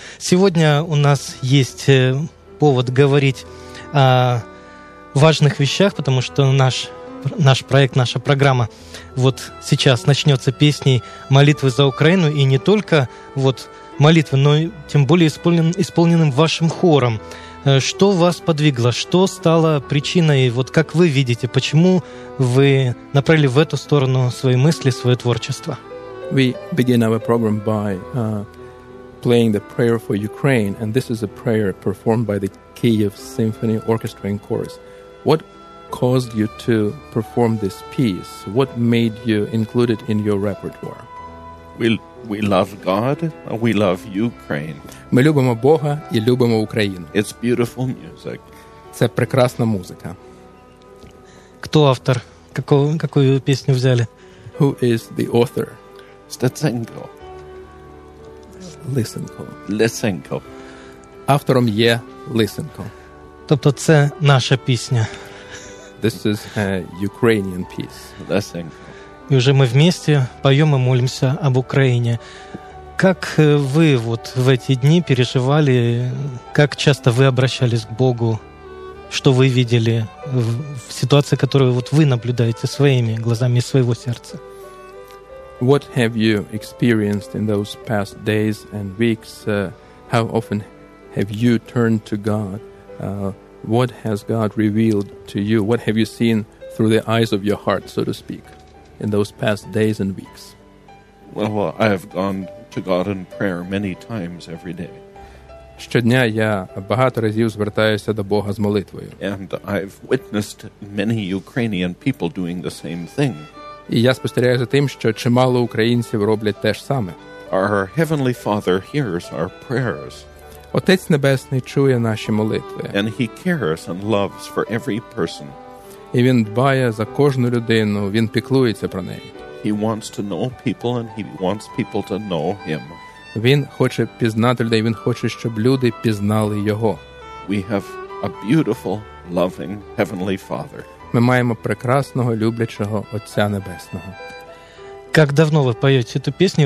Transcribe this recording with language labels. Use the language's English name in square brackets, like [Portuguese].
[Russian] Сегодня у нас есть повод говорить о важных вещах, потому что наш проект, наша программа вот сейчас начнется песней «Молитвы за Украину», и не только вот молитвы, но и тем более исполненным вашим хором. Что вас подвигло? Что стало причиной? Вот как вы видите, почему вы направили в эту сторону свои мысли, свое творчество? [English] We begin our program by playing the prayer for Ukraine, and this is a prayer performed by the Kiev Symphony Orchestra and Chorus. What caused you to perform this piece? What made you include it in your repertoire? We love God, we love Ukraine. [Ukrainian] Ми любимо Бога і любимо Україну. [English] It's beautiful music. [Ukrainian] Це прекрасна музика. Хто автор? Какую пісню взяли? [English] Who is the author? [Ukrainian] Стеценко. Лисенко. Лисенко. Автором є Лисенко. Тобто це наша пісня. [English] This is a Ukrainian piece. [Ukrainian] Лисенко. І вже ми вместе поем і молимся об Україні. Як ви вот в ці дні переживали, як часто ви обращались к Богу? Що ви видели в ситуації, яку вот ви наблюдаєте своїми глазами і своєго серця? [English] What have you experienced in those past days and weeks? How often have you turned to God? What has God revealed to you? What have you seen through the eyes of your heart, so to speak, in those past days and weeks? Well, I have gone to God in prayer many times every day. [Ukrainian] Щодня я багато разів звертаюся до Бога з молитвою. [English] And I've witnessed many Ukrainian people doing the same thing. [Ukrainian] І я спостерігаю за тим, що чимало українців роблять те ж саме. [English] Our Heavenly Father hears our prayers. [Ukrainian] Отець Небесний чує наші молитви. [English] And he cares and loves for every person. [Ukrainian] І він дбає за кожну людину, він піклується про неї. [English] He wants to know people and he wants people to know him. [Ukrainian] Він хоче пізнати людей, він хоче, щоб люди пізнали його. [English] We have a beautiful, loving Heavenly Father. [Ukrainian] Ми маємо прекрасного, люблячого Отця Небесного. Як давно ви поєте цю пісню?